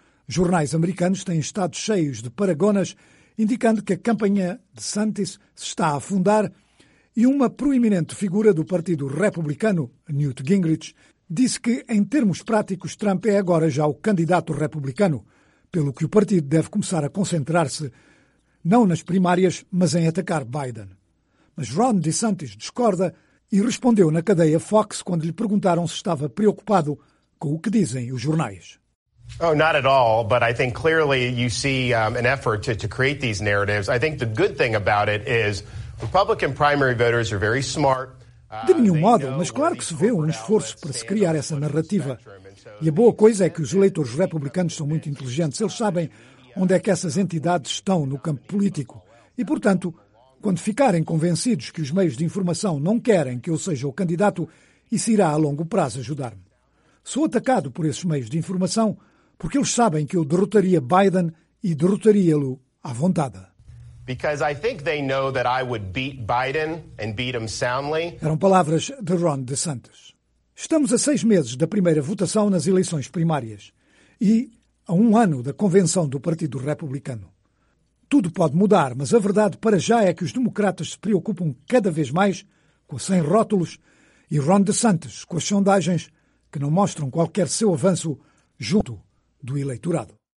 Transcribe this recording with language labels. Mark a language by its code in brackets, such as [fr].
[pt] Jornais americanos têm estado cheios de paragonas, indicando que a campanha de DeSantis se está a afundar e uma proeminente figura do Partido Republicano, Newt Gingrich, disse que, em termos práticos, Trump é agora já o candidato republicano, pelo que o partido deve começar a concentrar-se, não nas primárias, mas em atacar Biden. Mas Ron DeSantis discorda e respondeu na cadeia Fox quando lhe perguntaram se estava preocupado com o que dizem os jornais. [en] Oh, not at all, but I think clearly you see an effort to create these narratives. I think the good thing about it is Republican primary voters are very smart. [pt] De nenhum modo, mas claro que se vê um esforço para se criar essa narrativa. E a boa coisa é que os eleitores republicanos são muito inteligentes. Eles sabem onde é que essas entidades estão no campo político. E, portanto, quando ficarem convencidos que os meios de informação não querem que eu seja o candidato, isso irá a longo prazo ajudar-me. Sou atacado por esses meios de informação porque eles sabem que eu derrotaria Biden e derrotaria-lo à vontade. [en] Because I think they know that I would beat Biden and beat him soundly. [pt] Eram palavras de Ron DeSantis. Estamos a 6 meses da primeira votação nas eleições primárias e a 1 ano da convenção do Partido Republicano. Tudo pode mudar, mas a verdade para já é que os democratas se preocupam cada vez mais com sem rótulos e Ron DeSantis com as sondagens que não mostram qualquer seu avanço junto do eleitorado.